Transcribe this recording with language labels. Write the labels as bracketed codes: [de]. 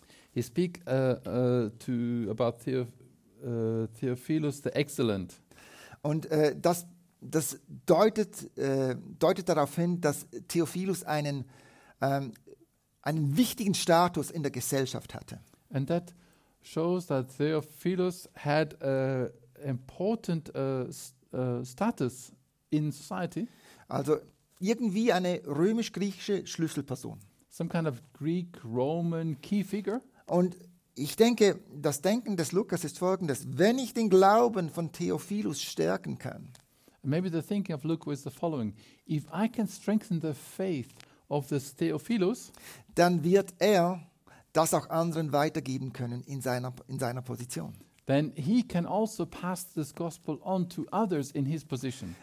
[en] He speaks about Theophilus the Excellent. [de] Und das deutet darauf hin, dass Theophilus einen wichtigen Status in der Gesellschaft hatte. [en] And that shows that Theophilus had an important status in society. [de] Also irgendwie eine römisch-griechische Schlüsselperson. [en] Some kind of Greek Roman key figure. [de] Und ich denke, das Denken des Lukas ist folgendes: Wenn ich den Glauben von Theophilus stärken kann. [en] Maybe the thinking of Luke was the following. If I can strengthen the faith of this Theophilus, [de] dann wird er das auch anderen weitergeben können in seiner Position. [en] Then he can also pass this gospel on to others in his position.